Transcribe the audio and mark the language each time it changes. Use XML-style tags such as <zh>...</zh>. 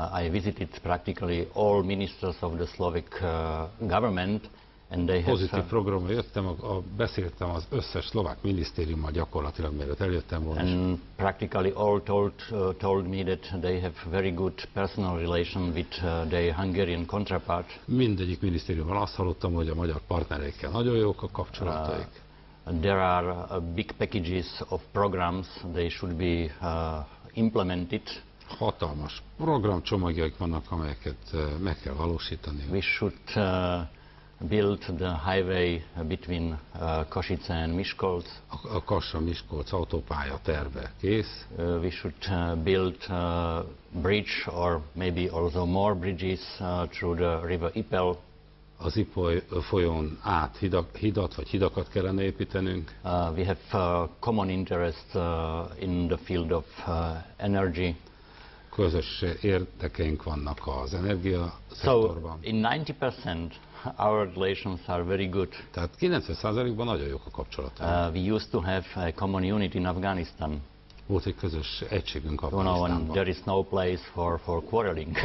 <en>I visited practically all ministers of the Slovak government and they</en> <hu>have pozitív programra jöttem, beszéltem az összes szlovák minisztériummal gyakorlatilag, mielőtt eljöttem volna.</hu> <en>And practically all told me that they have very good personal relation with their Hungarian counterpart.</en> <hu>Mindegyik minisztériumban azt hallottam, hogy a magyar partnereikkel nagyon jók a kapcsolataik.</hu> <en>There are big packages of programs they should be implemented.</en> <hu>Hatalmas programcsomagjaik vannak, amelyeket meg kell valósítani.</hu> <en>We should build the highway between Košice and Miskolc.</en> <hu>A Kassa-Miskolc autópálya terve kész.</hu> <en>We should build a bridge or maybe also more bridges through the river Ipel.</en> <hu>Az Ipoly folyón át hidat vagy hidakat kellene építenünk.</hu> <en>We have common interest in the field of energy.</en> <hu>Közös érdekeink vannak az energia szektorban.</hu> <en>So in 90% our relations are very good.</en> <hu>Tehát 90%-ban nagyon jók a kapcsolatunk.</hu> <en>We used to have a common unit in Afghanistan.</en> <hu>Volt egy közös egységünk Afganisztánban.</hu> <en>There is no place for quarreling.</en>